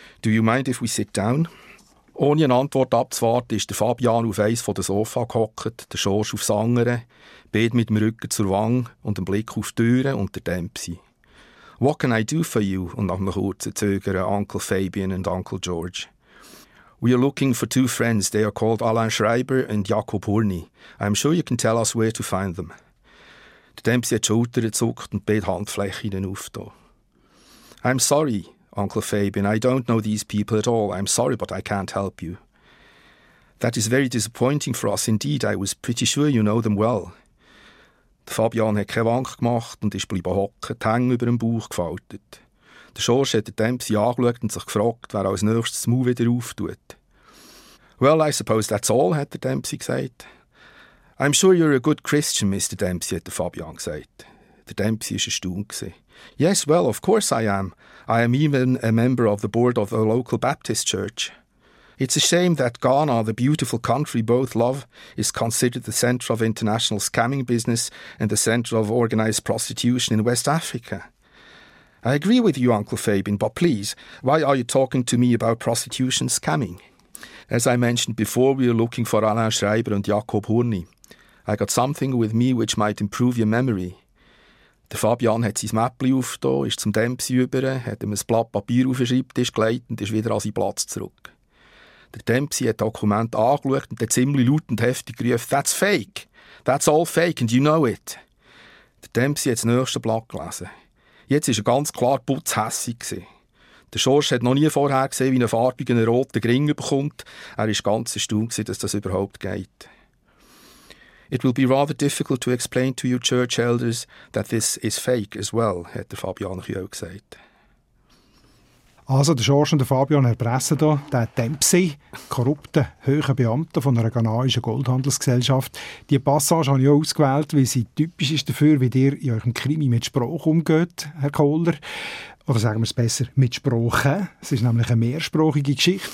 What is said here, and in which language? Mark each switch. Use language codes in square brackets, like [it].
[en] Do you mind if we sit down? [de] Ohne eine Antwort abzuwarten, ist der Fabian auf eins von den Sofa gehockt, der Schorsch aufs andere, Bett mit dem Rücken zur Wang und dem Blick auf die Türe und der Dempsey. [en] What can I do for you? [de] Und nach einem kurzen Zögern Uncle Fabian und Uncle George. [en] We are looking for two friends. They are called Alain Schreiber and Jakob Hurni. I am sure you can tell us where to find them. [de] Der Dempsey hat die Schulter gezuckt und Bett Handflächen aufgetan. [en] I'm sorry, Uncle Fabian, I don't know these people at all. I'm sorry, but I can't help you. That is very disappointing for us indeed. I was pretty sure you know them well. [de] Fabian hat keine Wank gemacht und ist blieben hocken, die Hänge über dem Bauch gefaltet. Der Schorsch hat den Dempsey angeschaut und sich gefragt, wer als nächstes das Maul wieder auftut. [en] Well, I suppose that's all, [de] hat der Dempsey gesagt. [en] I'm sure you're a good Christian, Mr. [de] Dempsey, hat Fabian gesagt. Der Dempsey war erstaunt. [en] Yes, well, of course I am. I am even a member of the board of the local Baptist church. It's a shame that Ghana, the beautiful country both love, is considered the centre of international scamming business and the centre of organised prostitution in West Africa. I agree with you, Uncle Fabian, but please, why are you talking to me about prostitution scamming? As I mentioned before, we are looking for Alain Schreiber and Jakob Hurni. I got something with me which might improve your memory. [de] Der Fabian hat sein Mäppli aufgetan, ist zum Dempsey über, hat ihm ein Blatt Papier auf den Schreibtisch gelegt und ist wieder an seinen Platz zurück. Der Dempsey hat Dokumente angeschaut und hat ziemlich laut und heftig gerufen, [en] «That's fake! That's all fake and you know it!» [de] Der Dempsey hat das nächste Blatt gelesen. Jetzt war er ganz klar putzhässig. Der Schorsch hat noch nie vorher gesehen, wie ein farbiger roter Ring bekommt. Er war ganz erstaunt, dass das überhaupt geht. [en] It will be rather difficult to explain to you church elders that this is fake as well, [de] hat der Fabian Kühl gesagt. Also, der Schorsch und der Fabian erpressen hier den Dempsey, korrupten, hohen Beamten von einer ghanaischen Goldhandelsgesellschaft. Die Passage habe ich auch ausgewählt, weil sie typisch ist dafür, wie ihr in eurem Krimi mit Sprache umgeht, Herr Kohler. Oder sagen wir es besser, mit Sprache. Es ist nämlich eine mehrsprachige Geschichte.